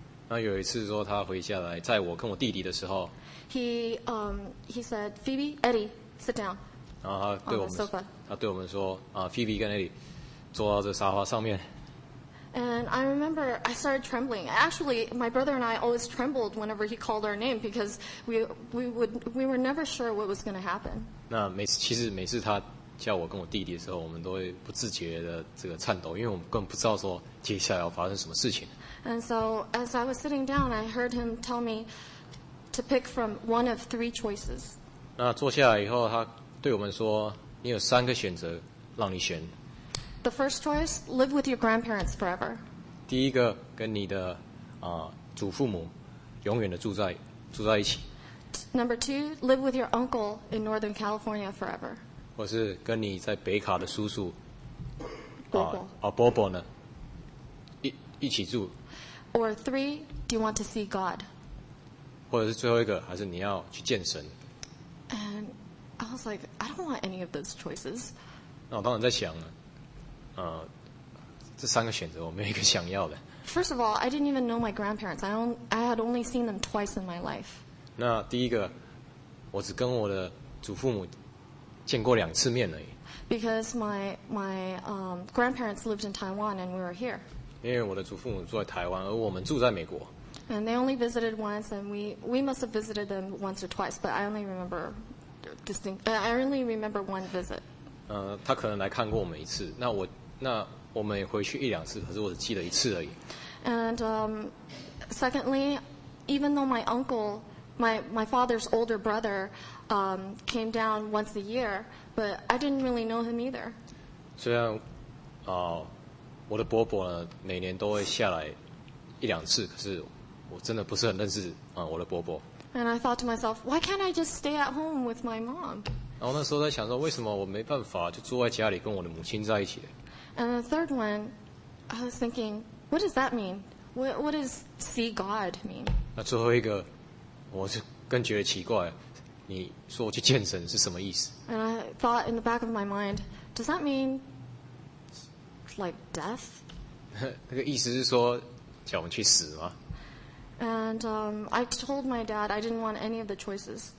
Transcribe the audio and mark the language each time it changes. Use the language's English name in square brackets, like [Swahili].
[Chinese] 那有一次说他回下来，在我跟我弟弟的时候 [English] ，He said, Phoebe, Eddie, sit down. [Chinese] 然后他对我们， [English] on the sofa. [Chinese] 他对我们说，Phoebe 跟 Eddie 坐到这沙发上面。 [English] And I remember I started trembling. Actually, my brother and I always trembled whenever he called our name because we were never sure what was going to happen. [Chinese] 那其实每次他叫我跟我弟弟的时候，我们都会不自觉的这个颤抖，因为我们根本不知道说接下来要发生什么事情。 [English] And so as I was sitting down, I heard him tell me to pick from one of three choices. [Chinese] 那坐下来以后，他对我们说，你有三个选择让你选。 [English] The first choice, live with your grandparents forever. [Chinese] 第一个跟你的祖父母永远的住在一起。 [English] Number two, live with your uncle in Northern California forever. [Chinese] 或是跟你在北卡的叔叔伯伯呢一起住。 [English] Or three, do you want to see God? [Chinese] 或者是最后一个，还是你要去见神 [English] ？And I was like, I don't want any of those choices. [Chinese] 那我当然在想了。这三个选择我没有一个想要的。 [English] First of all, I didn't even know my grandparents. I had only seen them twice in my life. [Chinese] 那第一个，我只跟我的祖父母见过两次面而已。 [English] Because my grandparents lived in Taiwan and we were here. [Chinese] 因为我的祖父母住在台湾，而我们住在美国。 [English] And they only visited once, and we must have visited them once or twice, but I only remember I only remember one visit. [Chinese] 他可能来看过我们一次，那我们也回去一两次，可是我只记得一次而已。 [English] And secondly, even though my uncle, my father's older brother, came down once a year, but I didn't really know him either. [Chinese] 虽然我的伯伯呢每年都会下来一两次，可是我真的不是很认识我的伯伯。 [English] And I thought to myself, why can't I just stay at home with my mom? [Chinese] 然后那时候在想说，为什么我没办法就住在家里跟我的母亲在一起？ [English] And the third one, I was thinking, what does that mean? What does see God mean? [Chinese] 那最后一个，我就更觉得奇怪，你说我去见神是什么意思？ [English] And I thought in the back of my mind, does that mean like death? [Chinese] 那个意思是说叫我们去死吗？ [English] And I told my dad I didn't want any of the choices.